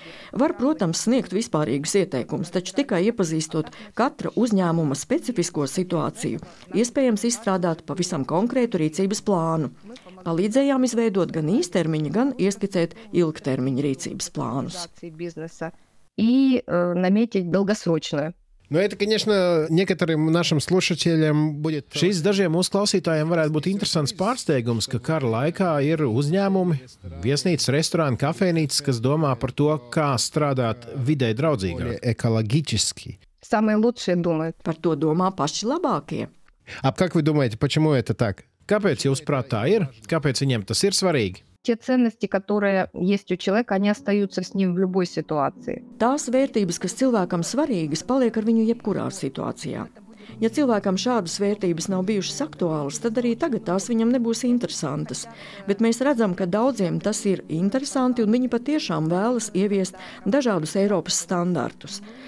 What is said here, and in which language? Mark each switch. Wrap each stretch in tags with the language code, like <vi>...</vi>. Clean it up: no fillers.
<lv>Var, protams, sniegt vispārīgus ieteikumus, taču tikai iepazīstot katra uzņēmuma specifisko situāciju, iespējams izstrādāt pavisam konkrētu rīcības plānu. Palīdzējām izveidot gan īstermiņa, gan ieskicēt ilgtermiņa rīcības plānus.</lv> <ru>Ну это, конечно, некоторым нашим слушателям будет.</ru> <lv>Šis dažiem mūsu klausītājiem varētu būt interesants pārsteigums, ka kara laikā ir uzņēmumi, viesnīcas, restorāni, kafejnīcas, kas domā par to, kā strādāt vidē draudzīgāk, ekoloģiski.</lv> <ru>Самые лучшие думают.</ru> <lv>Par to domā paši labākie.</lv> <ru>Ap как вы думаете, почему это так?</ru> <lv>Kāpēc jūs prāt tā ir? Kāpēc viņiem tas ir svarīgi? Tie</lv> <ru>ценности, которые есть у человека, они остаются с ним в любой ситуации.</ru> <lv>Tās vērtības, kas cilvēkam svarīgas, paliek ar viņu jebkurā situācijā. Ja cilvēkam šādas vērtības nav bijušas aktuālas, tad arī tagad tās viņam nebūs interesantas. Bet mēs redzam, ka daudziem tas ir interesanti un viņi patiešām vēlas ieviest dažādus Eiropas standartus.</lv>